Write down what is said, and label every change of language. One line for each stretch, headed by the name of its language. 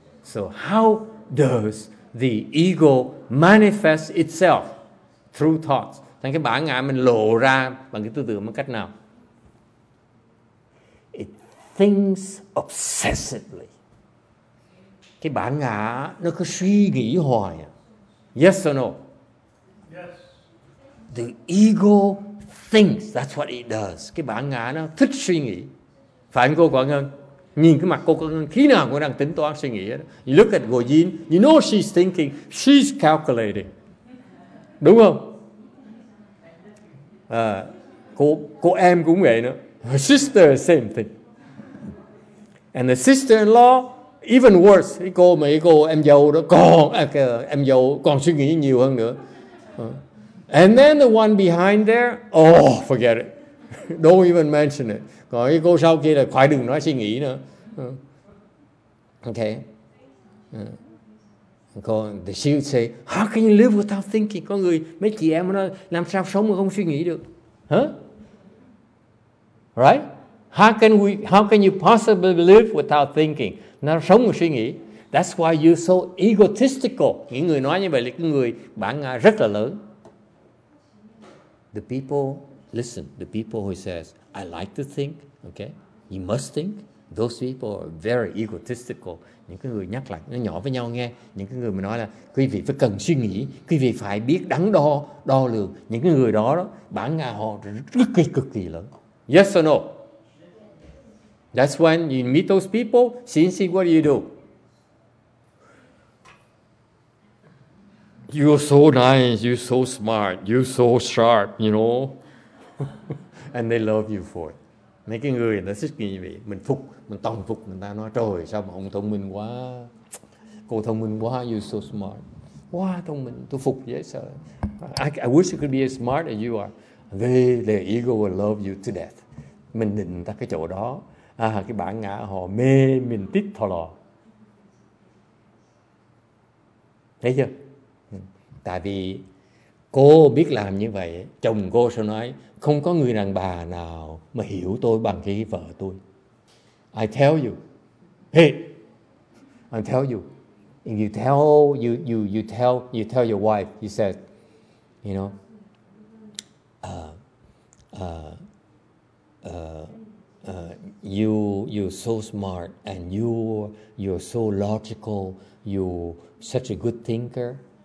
English: So how does the ego manifest itself through thoughts?
Vietnamese: Thành cái bản ngã mình lộ ra bằng cái tư tưởng một cách nào?
English: It thinks obsessively.
Vietnamese: Cái bản ngã nó cứ suy nghĩ hoài.
English: Yes or no? Yes. The ego thinks, that's what it does.
Vietnamese: Cái bản ngã nó thích suy nghĩ. Phải không cô Quả Ngân? Nhìn cái mặt cô Quả Ngân, khi nào cũng đang tính toán suy nghĩ.
English: You look at Ngô Dinh, you know she's thinking, she's calculating.
Vietnamese: Đúng không? Cô em cũng vậy nữa.
English: Her sister, same thing. And the sister-in-law, even worse,
Vietnamese: cô em dâu đó, em dâu còn suy nghĩ nhiều hơn nữa.
English: And then the one behind there, oh, forget it. Don't even mention it.
Vietnamese: Còn cái cô sau kia là khỏi đừng nói suy nghĩ nữa.
English: Okay. She would say, how can you live without thinking?
Vietnamese: Có người, mấy chị em nói, làm sao sống mà không suy nghĩ được?
English: Huh? Right? How can you possibly live without thinking?
Vietnamese: Làm sống mà suy nghĩ.
English: That's why you're so egotistical.
Vietnamese: Những người nói như vậy là cái người bản ngã rất là lớn.
English: The people who says, I like to think, okay, you must think, those people are very egotistical.
Vietnamese: Những cái người nhắc lại, nó nhỏ với nhau nghe, những cái người mà nói là, quý vị phải cần suy nghĩ, quý vị phải biết đắn đo, đo lường, những cái người đó, bản ngã họ rất kỳ cực kỳ lớn.
English: Yes or no? That's when you meet those people, see what you do. You're so nice, you're so smart, you're so sharp, you know. And they love you for it.
Vietnamese: Mấy cái người nó thích như vậy, mình tông phục, người ta nói, trời sao mà ông thông minh quá, cô thông minh quá,
English: you're so smart.
Vietnamese: Quá thông minh, tôi phục dễ sợ.
English: I wish you could be as smart as you are. Their ego will love you to death.
Vietnamese: Mình định ra cái chỗ đó, cái bản ngã họ mê mình tít thò lò. Thấy chưa? Tại vì cô biết làm như vậy, chồng cô sẽ nói không có người đàn bà nào mà hiểu tôi bằng cái vợ tôi.
English: I tell you. Hey. I tell you. And you tell you tell your wife, you said, you know, you're so smart and you're so logical, you're such a good thinker.